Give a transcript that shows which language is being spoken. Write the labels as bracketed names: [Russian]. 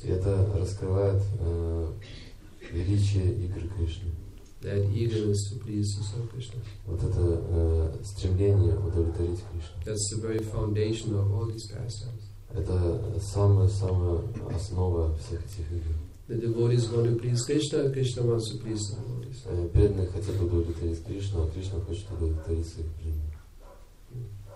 [Russian] Это раскрывает величие игр Кришны. [English] That eagerness to please the Lord Krishna. [Russian] Вот это стремление удовлетворить Кришну. [English] That's the very foundation of all these pastimes. [Russian] Это самая основа всех этих игр. [English] The devotees want to please Krishna, Krishna wants to please the devotees. [Russian] Преданные хотят удовлетворить Кришну, а Кришна хочет удовлетворить своих преданных.